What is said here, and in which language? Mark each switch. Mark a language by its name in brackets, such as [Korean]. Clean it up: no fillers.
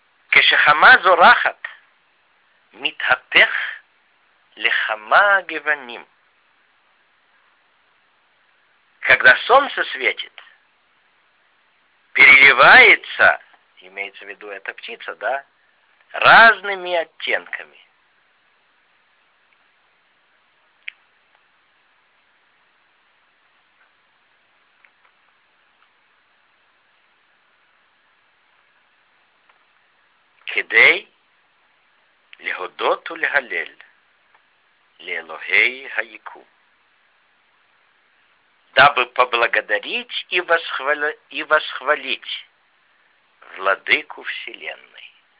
[Hebrew] כשחמה זורחת, מתהפך לחמה גוונים. [Russian] Когда солнце светит, переливается, имеется в виду эта птица, да, разными оттенками. [Hebrew] כדי להודות ולהלל לאלוהי היקום. [Russian] Дабы поблагодарить и восхвалить владыку Вселенной.